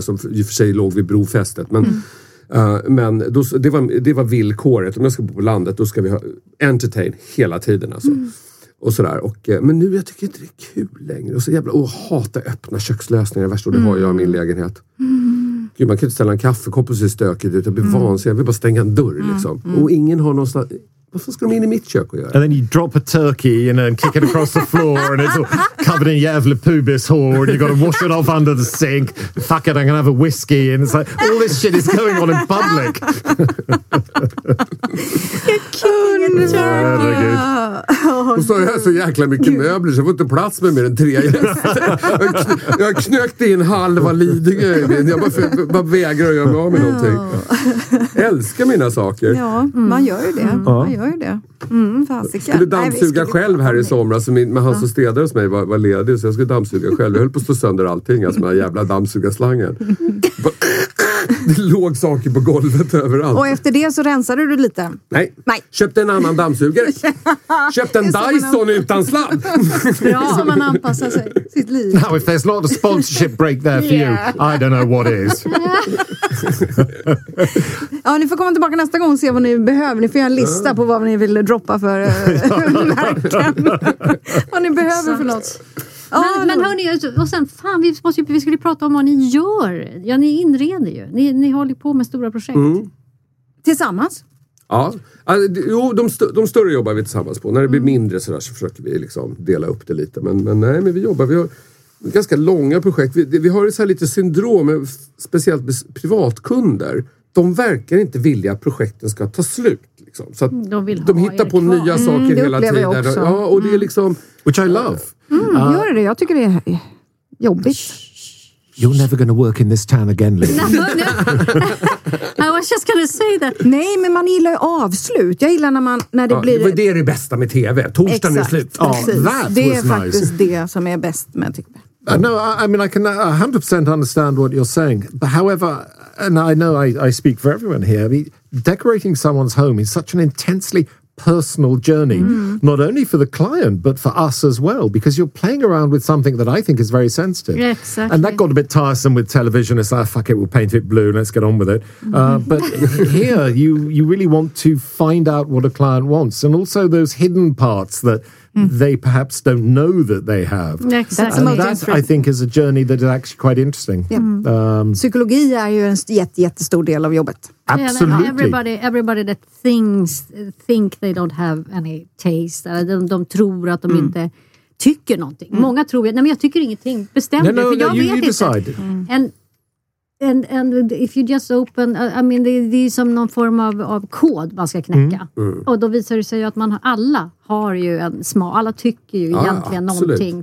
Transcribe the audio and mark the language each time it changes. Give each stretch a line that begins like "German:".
Swedish: Som i och för sig låg vid brofästet. Men det var villkoret. Om jag ska bo på landet, då ska vi ha entertain hela tiden. Alltså. Mm. Och sådär. Men nu jag tycker inte det är kul längre. Och så jävla, hatar öppna kökslösningar. Värst, och det har jag i min lägenhet. Mm. gud, man kan inte ställa en kaffekopp och se stökigt ut. Jag blir vansinnig. Jag vill bara stänga en dörr, liksom. Mm. Och ingen har någonstans... Varför ska de in i mitt kök och göra?
English: And then you drop a turkey, you know, and kick it across the floor and it's all covered in jävla pubis hår and you got to wash it off under the sink. Fuck it, I'm going to have a whiskey. And it's like, all this shit is going on in public. You're killing a turkey.
Swedish: Och så har jag så jäkla mycket möbler så jag får inte plats med mer än tre gäster. Jag knökte in halva Lidingö i min. Jag bara vägrar att göra mig av med någonting. Älskar mina saker. Ja, man gör ju det. Mm. Man gör ju det. Mm, skulle dammsuga. Nej, själv här i somras med han som städade hos mig var ledig så jag skulle dammsuga själv. Jag höll på att stå sönder allting, alltså med den jävla dammsugarslangen. Det låg saker på golvet överallt. Och efter det så rensade du lite? Nej. Nej. Köpte en annan dammsugare. Köpte en Dyson utan slapp. Ja, som man anpassar sig sitt liv.
English: Now if there's not a sponsorship break there for you, I don't know what is.
Swedish: Ja, ni får komma tillbaka nästa gång och se vad ni behöver. Ni får göra en lista på vad ni vill droppa för märken. Vad ni behöver för något. Men hörni, och sen, fan, vi skulle prata om vad ni gör. Ja, ni inreder ju. Ni håller på med stora projekt. Mm. Tillsammans? Ja. Alltså, jo, de större jobbar vi tillsammans på. När det blir mindre sådär så försöker vi liksom dela upp det lite. Men nej, men vi jobbar. Vi har ganska långa projekt. Vi har så här lite syndrom med speciellt privatkunder. De verkar inte vilja att projekten ska ta slut. Liksom. Så att de hittar på kvar. Nya saker hela tiden. Också. Ja, och det är liksom...
English: Which I love.
Swedish: Gör det. Jag tycker det är jobbigt.
English: You're never gonna work in this town again, Lee. I was just gonna say that.
Swedish: Nej, men man gillar ju avslut. Jag gillar när det blir... Det är det bästa med tv. Torsdagen exakt, är slut. Det är faktiskt
English: nice.
Swedish: Det som är bäst med tv.
English: No, I mean, I can 100% understand what you're saying. But however, and I know I speak for everyone here, I mean, decorating someone's home is such an intensely personal journey, not only for the client, but for us as well, because you're playing around with something that I think is very sensitive. Yeah, exactly. And that got a bit tiresome with television. It's like, fuck it, we'll paint it blue, let's get on with it. But here, you really want to find out what a client wants, and also those hidden parts that... they perhaps don't know that they have. Exactly. And that, I think, is a journey that is actually quite interesting. Yeah.
Swedish: Psykologi är ju en jättestor del av jobbet.
English: Absolutely. Yeah, everybody that think they don't have any taste.
Swedish: De tror att de inte tycker någonting. Mm. Många tror, nej men jag tycker ingenting. Bestäm dig, för jag vet inte.
English: Decide. And if you just open, I mean,
Swedish: det är som någon form av kod man ska knäcka. Mm. Mm. Och då visar det sig ju att alla har ju en smak. Alla tycker ju egentligen någonting.